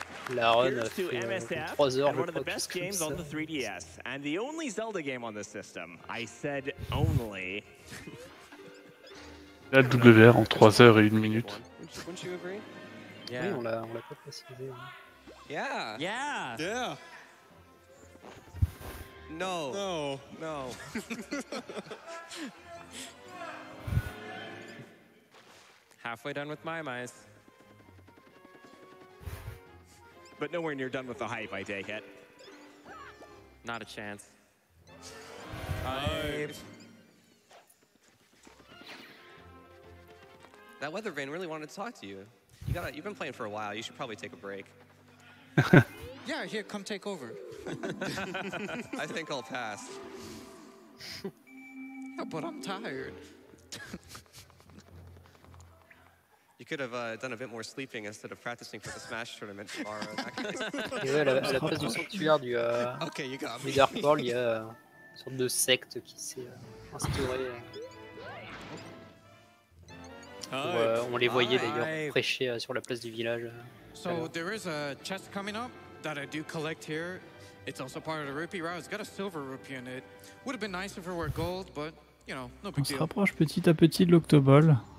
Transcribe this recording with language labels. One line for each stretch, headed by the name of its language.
French: La run a fait 3 heures le plus comme ça.
English: The 3DS, and the only Zelda game on the system. I said only.
French: La WR en 3 heures et 1 minute. Oui, on l'a pas précisé. Hein.
English: Yeah. No. Halfway done with my mice. But nowhere near done with the hype, I take it. Not a chance. Hype. That weather vane really wanted to talk to you. You've been playing for a while. You should probably take a break. Yeah, here, come take over. I think I'll pass. Yeah, but I'm tired. You could have done a bit more sleeping instead of practicing for the Smash tournament tomorrow.
French: Ouais, la place du sanctuaire du Dark World, il y a une sorte de secte qui s'est instaurée. On les voyait d'ailleurs prêcher sur la place du village.
English: So there is a chest coming up that I do collect here. It's also part of the rupee route. It's got a silver rupee in it. Would have been nice if it were gold, but you know, no big deal.
French: On se rapproche petit à petit de l'Octoball.